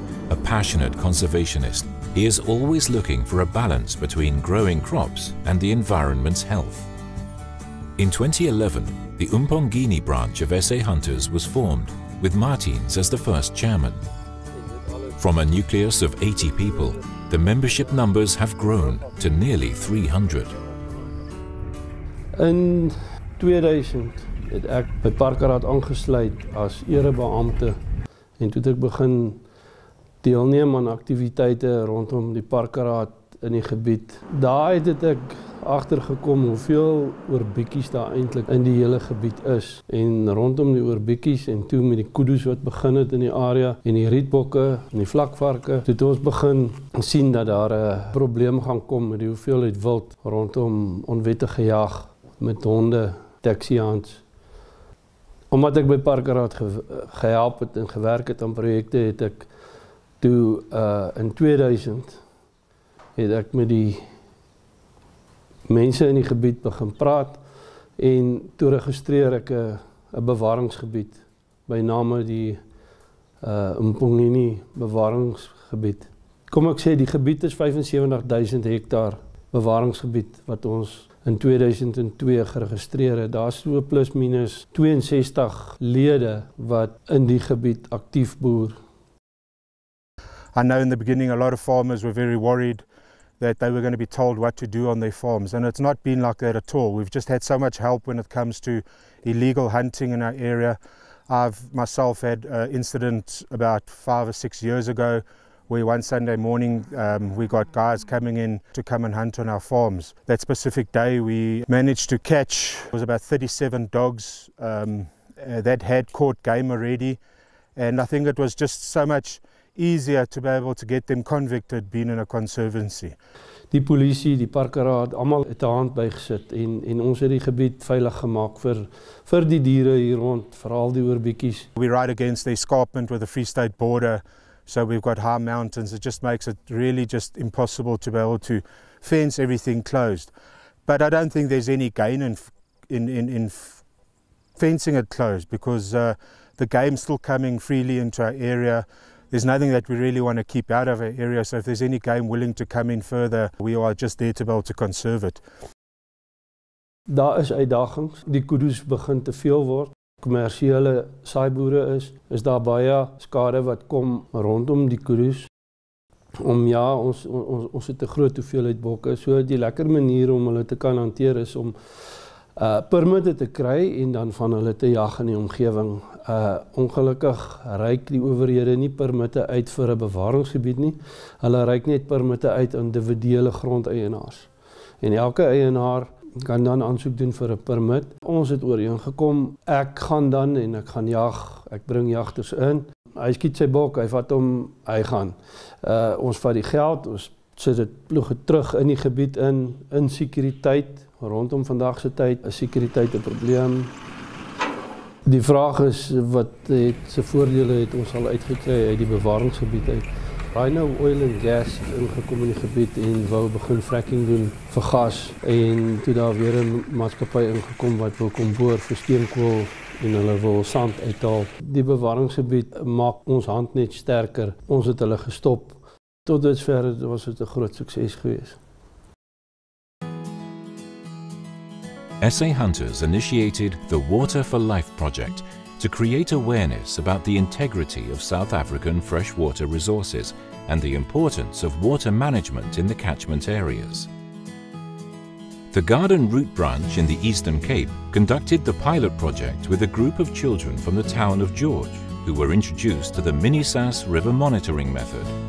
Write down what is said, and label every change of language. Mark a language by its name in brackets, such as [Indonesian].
[English] A passionate conservationist, he is always looking for a balance between growing crops and the environment's health. In 2011, the Umpongini branch of SA Hunters was formed, with Martins as the first chairman. From a nucleus of 80 people, the membership numbers have grown to nearly 300. [Afrikaans] In 2000 het ek by Parkerraad aangesluit as erebeampte en toe het ek begin deelneem aan aktiwiteite rondom die Parkerraad in die gebied. Daar het ek agtergekom hoeveel oorbietjies daar eintlik in die hele gebied is en rondom die oorbietjies en toe met die kudu's wat begin het in die area en die rietbokke en die vlakvarke, toe het ons begin sien dat daar 'n probleem gaan kom met die hoeveelheid wild rondom onwettige jag met honde, taxiants. Omdat ek by Parkerraad gehelp het en gewerk het aan projekte, het ek toe in 2000 het ek met die mense in die gebied begin praat en toe registreer ek 'n bewaringsgebied by name die Umpongini bewaringsgebied. Kom ek sê die gebied is 75,000 hektaar bewaringsgebied wat ons in 2002 geregistreer het. Daar is so plus minus 62 lede wat in die gebied actief boer. [English] I know in the beginning a lot of farmers were very worried that they were going to be told what to do on their farms, and it's not been like that at all. We've just had so much help when it comes to illegal hunting in our area. I've myself had an incident about 5 or 6 years ago where one Sunday morning we got guys coming in to come and hunt on our farms. That specific day we managed to catch, it was about 37 dogs that had caught game already, and I think it was just so much easier to be able to get them convicted being in a conservancy. [Afrikaans] Die polisie, die parkeraad, almal het 'n hand bygesit en ons het die gebied veilig gemaak vir die diere hier rond, veral die oorbietjies. [English] We ride against the escarpment with the Free State border, so we've got high mountains. It just makes it really just impossible to be able to fence everything closed. But I don't think there's any gain in fencing it closed because the game's still coming freely into our area. There's nothing that we really want to keep out of our area, so if there's any game willing to come in further, we are just there to be able to conserve it. [Afrikaans] Daar is uitdagings. Die kudu's begin te veel word. Kommersiële saaiboere is daar baie skade wat kom rondom die kudu's. Om ja, ons het 'n groot hoeveelheid bokke, so die lekker manier om hulle te kan hanteer is om permitte te kry en dan van hulle te jag in die omgewing. Ongelukkig reik die owerhede nie permitte uit vir 'n bewaringsgebied nie. Hulle reik net permitte uit aan individuele grondeienaars. En elke eienaar kan dan aansoek doen vir 'n permit. Ons het ooreengekom, ek gaan dan en ek gaan jag, ek bring jagters in. Hy skiet sy bok, hy vat hom, hy gaan. Ons vat die geld, ons sit dit ploeg terug in die gebied in sekuriteit. Rondom vandag se tyd is sekuriteit 'n probleem. Die vraag is wat het se voordele het ons al uitgekry uit die bewaringsgebied uit. Rhino oil and gas het ingekom in die gebied en wou begin fracking doen vir gas en toe daar weer 'n maatskappy ingekom wat wil kom boor vir steenkool en hulle wil sand uithaal. Die bewaringsgebied maak ons hand net sterker. Ons het hulle gestop. Tot dusver was dit 'n groot sukses gewees. [English] SA Hunters initiated the Water for Life project to create awareness about the integrity of South African freshwater resources and the importance of water management in the catchment areas. The Garden Route branch in the Eastern Cape conducted the pilot project with a group of children from the town of George who were introduced to the Minisas River monitoring method.